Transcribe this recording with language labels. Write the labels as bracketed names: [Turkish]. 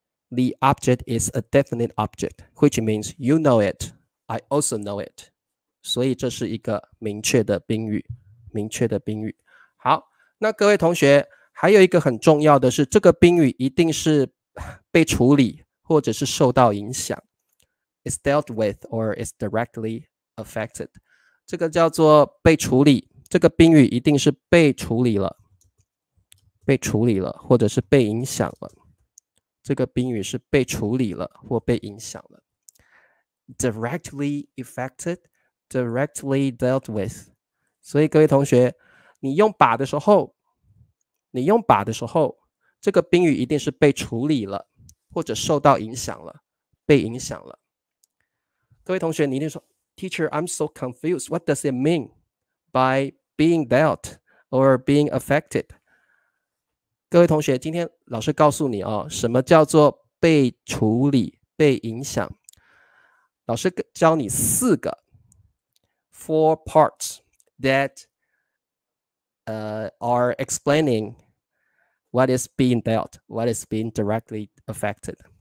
[English] The object is a definite object, which means you know it, I also know it. [Chinese] 所以这是一个明确的宾语，明确的宾语。好，那各位同学，还有一个很重要的是，这个宾语一定是被处理或者是受到影响。 [English] It's dealt with or is directly affected. [Chinese] 这个叫做被处理，这个宾语一定是被处理了，被处理了或者是被影响了。这个宾语是被处理了或被影响了。 [English] Directly affected, directly dealt with. [Chinese] 所以各位同学，你用把的时候，你用把的时候，这个宾语一定是被处理了或者受到影响了，被影响了。各位同学，你一定说 [English] Teacher, I'm so confused. What does it mean by being dealt or being affected? [Chinese] 各位同学，今天老师告诉你哦，什么叫做被处理、被影响？老师教你四个 [English] four parts that are explaining what is being dealt, what is being directly affected.